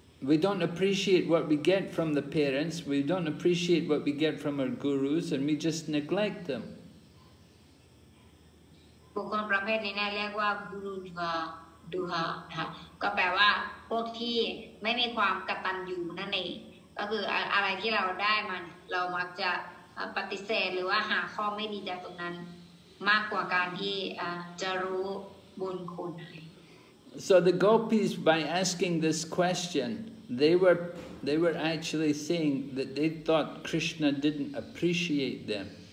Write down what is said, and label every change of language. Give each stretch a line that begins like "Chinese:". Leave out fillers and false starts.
English: We don't appreciate what we get from the parents, we don't appreciate what we get from our gurus, and we just neglect them.
Thai: บุคคลประเภทนี้เนี่ยเรียกว่ากุรุดูดูฮะก็แปลว่าพวกที่ไม่มีความกตัญญูนั่นเองก็คืออะไรที่เราได้มันเรามักจะปฏิเสธหรือว่าหาข้อไม่ดีจากตรงนั้นมากกว่าการที่จะรู้บุญคุณ
English: So the gopis, by asking this question, they were actually saying that they thought Krishna didn't appreciate them.